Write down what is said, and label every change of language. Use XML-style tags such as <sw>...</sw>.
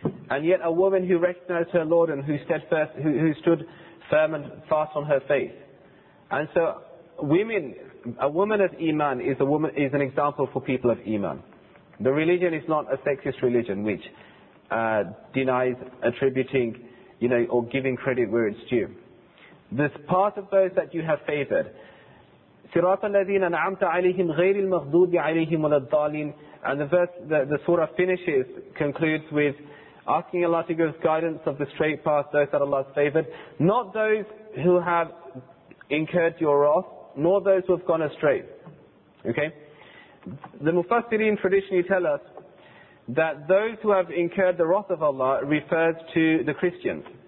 <en>And yet a woman who recognized her Lord and who stood firm and fast on her faith. And so a woman of Iman is an example for people of Iman. The religion is not a sexist religion which denies attributing, you know, or giving credit where it's due. This part of those that you have favored,</en> <ar>صراط الذين أنعمت عليهم غير المغضوب عليهم ولا الضالين.</ar> <en>And the verse, the surah finishes, concludes with asking Allah to give guidance of the straight path, those that Allah has favored, not those who have incurred your wrath, nor those who have gone astray. Okay? The Mufassirin traditionally tell us that those who have incurred the wrath of Allah refers to the Christians.</en>